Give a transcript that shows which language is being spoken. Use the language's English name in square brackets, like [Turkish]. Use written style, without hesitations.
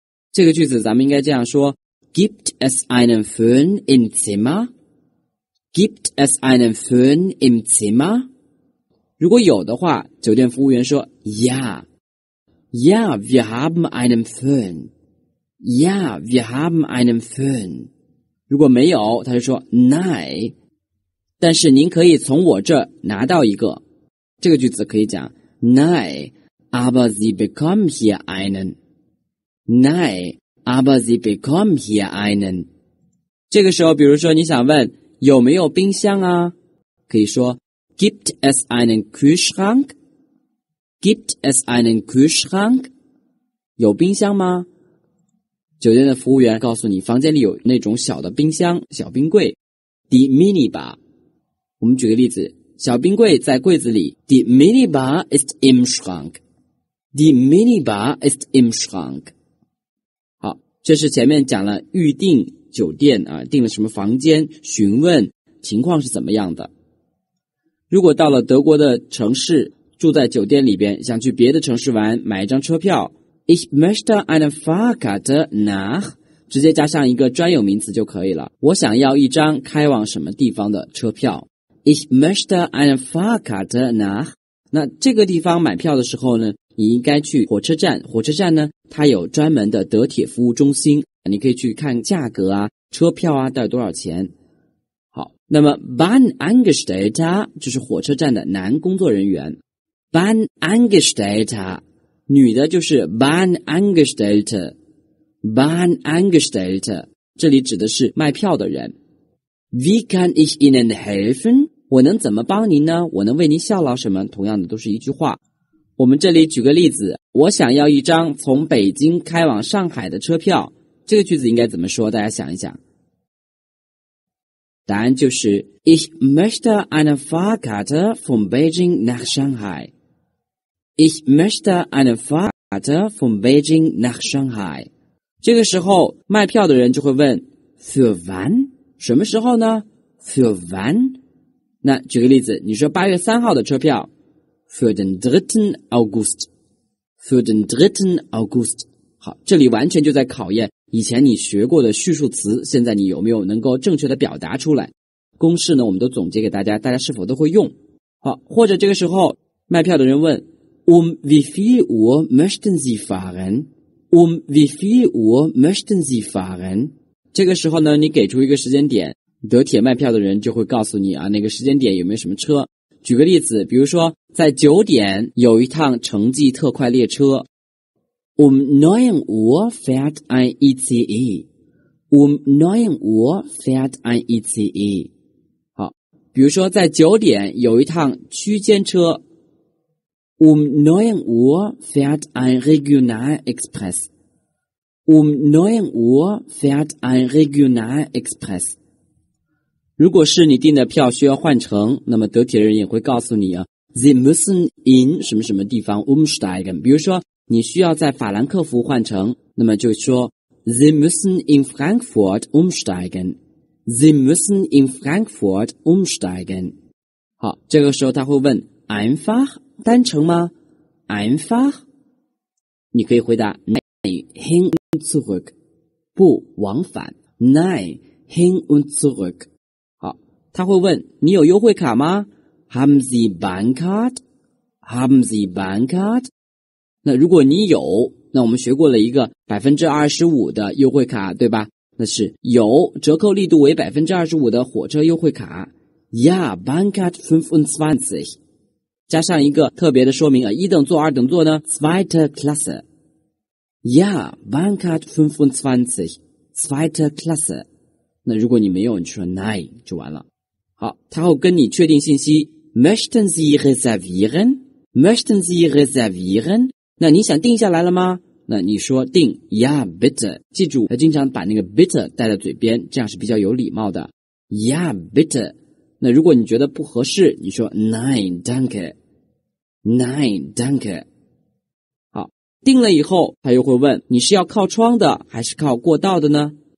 [Chinese] 这个句子咱们应该这样说 [German] Gibt es einen Föhn im Zimmer? Gibt es einen Föhn im Zimmer? [Chinese] 如果有的话，酒店服务员说 [German] Ja, ja, wir haben einen Föhn. Ja, wir haben einen Föhn. [Chinese] 如果没有，他就说 [German] Nein. [Chinese] 但是您可以从我这拿到一个。这个句子可以讲 [German] Nein, aber Sie bekommen hier einen. Nein, aber Sie bekommen hier einen. [Chinese] 这个时候比如说你想问有没有冰箱啊，可以说 [German] Gibt es einen Kühlschrank? Gibt es einen Kühlschrank? [Chinese] 有冰箱吗？酒店的服务员告诉你，房间里有那种小的冰箱，小冰柜 ， [German] die Minibar。 [Chinese] 我们举个例子，小冰柜在柜子里 ， [German] die Minibar ist im Schrank。 Die Minibar ist im Schrank。 [Chinese] 好，这是前面讲了预订酒店啊，订了什么房间，询问情况是怎么样的。如果到了德国的城市，住在酒店里边，想去别的城市玩，买一张车票。 [German] Ich möchte eine Fahrkarte nach， [Chinese] 直接加上一个专有名词就可以了。我想要一张开往什么地方的车票。 [German] Ich möchte eine Fahrkarte nach。 [Chinese] 那这个地方买票的时候呢，你应该去火车站。火车站呢，它有专门的德铁服务中心，你可以去看价格啊，车票啊，到底多少钱。好，那么 Bahn Angestellter 就是火车站的男工作人员。 [German] Bahn Angestellter。 [Chinese] 女的就是 [German] Bahn Angestellte， Bahn Angestellte， [Chinese] 这里指的是卖票的人。 [German] Wie kann ich Ihnen helfen？ [Chinese] 我能怎么帮您呢？我能为您效劳什么？同样的都是一句话。我们这里举个例子，我想要一张从北京开往上海的车票。这个句子应该怎么说？大家想一想。答案就是 [German] Ich möchte eine Fahrkarte von Beijing nach Shanghai。 Ich möchte eine Fahrkarte von Beijing nach Shanghai。 [Chinese] 这个时候卖票的人就会问 [German] Für wann？ [Chinese] 什么时候呢？ [German] Für wann？ [Chinese] 那举个例子，你说8月3号的车票。 [German] Für den 3. August。 Für den 3. August。 [Chinese] 好，这里完全就在考验以前你学过的叙述词，现在你有没有能够正确的表达出来。公式呢，我们都总结给大家，大家是否都会用。好，或者这个时候卖票的人问 [German] Um wie viel Uhr möchten Sie fahren? Um wie viel Uhr möchten Sie fahren? [Chinese] 这个时候呢，你给出一个时间点，德铁卖票的人就会告诉你啊，那个时间点有没有什么车。举个例子，比如说在九点有一趟城际特快列车。 [German] Um 9 Uhr fährt ein ICE. Um 9 Uhr fährt ein ICE. [Chinese] 好，比如说在九点有一趟区间车。 [German] Um 9 Uhr fährt ein Regionalexpress. Um 9 Uhr fährt ein Regionalexpress. [Chinese] 如果是你订的票需要换乘，那么德铁人也会告诉你啊， [German] Sie müssen in [Chinese] 什么什么地方 [German] umsteigen. [Chinese] 比如说你需要在法兰克福换乘，那么就说 [German] Sie müssen in Frankfurt umsteigen. Sie müssen in Frankfurt umsteigen. [Chinese] 好，这个时候他会问 [German] einfach? [Chinese] 单程吗 ？ [German] Einfach， [Chinese] 你可以回答 [German] Nein hin und zurück， [Chinese] 不往返。 [German] Nein hin und zurück。 [Chinese] 好，他会问你有优惠卡吗 ？ [German] Haben Sie Bankcard？ Haben Sie Bankcard？ [Chinese] 那如果你有，那我们学过了一个 25% 的优惠卡，对吧？那是有折扣力度为 25% 的火车优惠卡。 [German] Ja Bankcard 25。 [Chinese] 加上一个特别的说明啊，一等座、二等座呢 ？ [German] Zweite Klasse. Ja, Bankcard 25, Zweite Klasse. [Chinese] 那如果你没有，你说 [German] Nein [Chinese] 就完了。好，他会跟你确定信息。 [German] Möchten Sie reservieren? Möchten Sie reservieren? [Chinese] 那你想定下来了吗？那你说定。 [German] Ja, bitte. [Chinese] 记住，他经常把那个 bitte 带在嘴边，这样是比较有礼貌的。 [German] Ja, bitte. [Chinese] 那如果你觉得不合适，你说 [German] Nein, danke. Nein, danke. [Chinese] 好，定了以后，他又会问你是要靠窗的还是靠过道的呢？